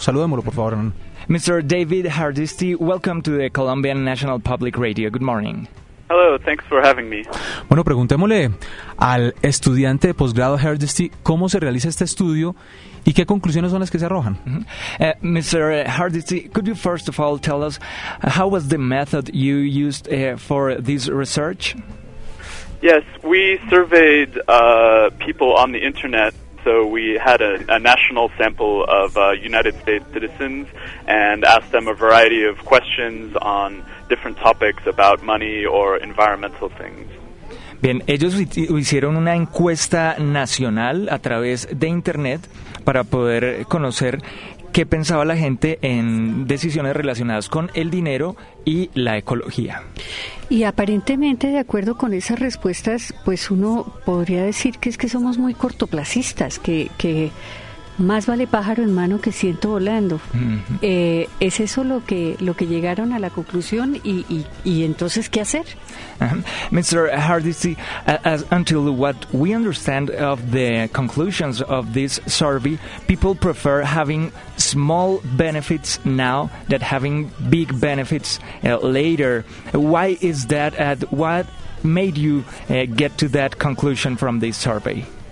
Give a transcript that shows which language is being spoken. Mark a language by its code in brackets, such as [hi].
[es] Saludémoslo, por favor. [en] Mr. David Herdesty, welcome to the Colombian National Public Radio. Good morning. Hello, thanks for having me. [es] Bueno, preguntémosle al estudiante de posgrado Herdesty cómo se realiza este estudio y qué conclusiones son las que se arrojan. [en] Mr. Herdesty, could you first of all tell us how was the method you used for this research? Yes, we surveyed people on the internet. So we had a national sample of United States citizens and asked them a variety of questions on different topics about money or environmental things. [es] Bien, ellos hicieron una encuesta nacional a través de internet para poder conocer qué pensaba la gente en decisiones relacionadas con el dinero y la ecología. Y aparentemente, de acuerdo con esas respuestas, pues uno podría decir que es que somos muy cortoplacistas, que más vale pájaro en mano que ciento volando. Uh-huh. ¿Es eso lo que llegaron a la conclusión y entonces qué hacer? [en] Mr. Herdesty, as until what we understand of the conclusions of this survey, people prefer having small benefits now than having big benefits later. Why is that, and what made you get to that conclusion from this survey?